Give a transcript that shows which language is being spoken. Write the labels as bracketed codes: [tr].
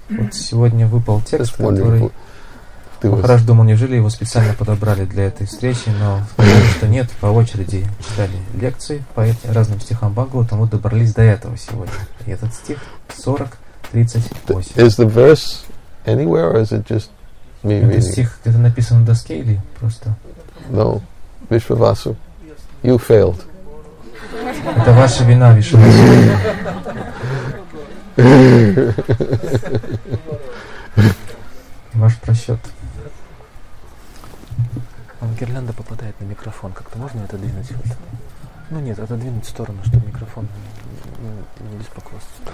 [ru] Вот сегодня выпал текст, который Махарадж думал, неужели его специально подобрали для этой встречи, но потому что нет, по очереди читали лекции по разным стихам Бхагавата, мы добрались до этого сегодня. И этот стих 40:38. [en] Is the verse anywhere or is it just me [ru] этот [en] reading? [ru] Этот стих где-то написан на доске или просто? [en] No, Вишвавасу, you failed. [ru] Это ваша вина, Вишвавасу. Ваш просчет. Он гирлянда попадает на микрофон. Как-то можно это двинуть? Вот. Ну нет, это двинуть в сторону, чтобы микрофон не беспокоился.